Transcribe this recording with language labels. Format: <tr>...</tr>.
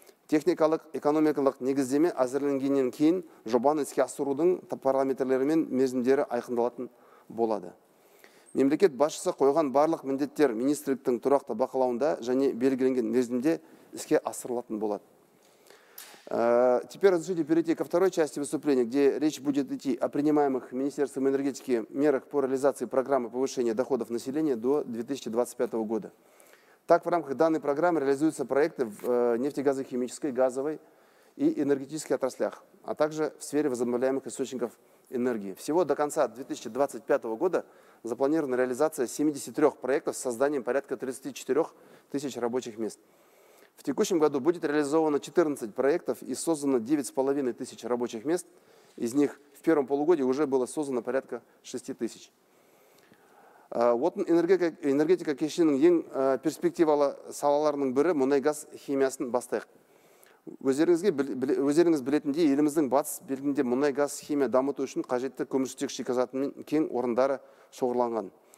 <kk>Техникалық экономикалық негіздеме әзірленгеннен кейін жобаны іске асырудың параметрлері мен мерзімдері айқындалатын болады. Мемлекет басшысы қойған барлық міндеттер министрліктің тұрақты бақылауында және белгіленген мерзімде іске асырылатын болады.</kk> <ru>Теперь разрешите перейти ко второй части выступления, где речь будет идти о принимаемых Министерством энергетики мерах по реализации программы повышения доходов населения до 2025 года. Так, в рамках данной программы реализуются проекты в нефтегазохимической, газовой и энергетических отраслях, а также в сфере возобновляемых источников энергии. Всего до конца 2025 года запланирована реализация 73 проектов с созданием порядка 34 тысяч рабочих мест. В текущем году будет реализовано 14 проектов и создано 9,5 тысяч рабочих мест. Из них в первом полугодии уже было создано порядка 6 тысяч.</ru> <kk>Вот энергетика кешенінің ең перспективалы салаларының бірі мұнай-газ химиясын бастайық. Өзеріңіз білетінде еліміздің батыс белгінде мұнай-газ химия дамыту үшін қажетті көмірсутек шикізатымен кен орындары шоғырланған.</kk>